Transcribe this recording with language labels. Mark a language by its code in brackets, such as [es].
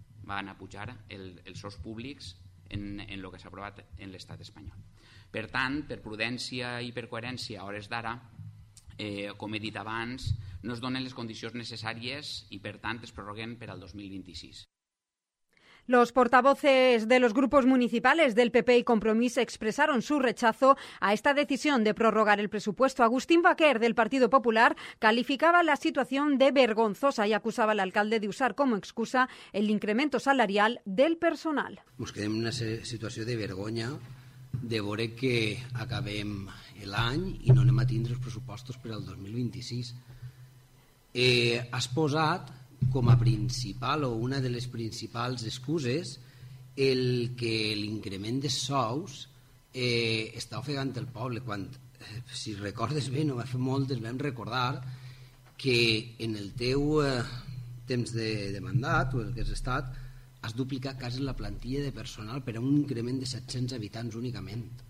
[ca] Van a pujar els sous públics en el que s'ha aprovat en l'Estat espanyol. Per tant, per prudència i per coherència, a hores d'ara, com he dit abans, no es donen les condicions necessàries i, per tant, es prorroguen per al 2026. [es] Los portavoces de los grupos municipales del PP y Compromís expresaron su rechazo a esta decisión de prorrogar el presupuesto. Agustín Baquer, del Partido Popular, calificaba la situación de vergonzosa y acusaba al alcalde de usar como excusa el incremento salarial del personal. [ca] Nos quedem en una situació de vergonya de veure que acabem l'any i no anem a tindre els pressupostos per al 2026. Has posat com a principal o una de les principals excuses el que l'increment de sous està ofegant el poble, quan, si recordes bé, no va fer molt, ens vam recordar que en el teu temps de mandat o el que has estat, has duplicat quasi la plantilla de personal per a un increment de 700 habitants únicament.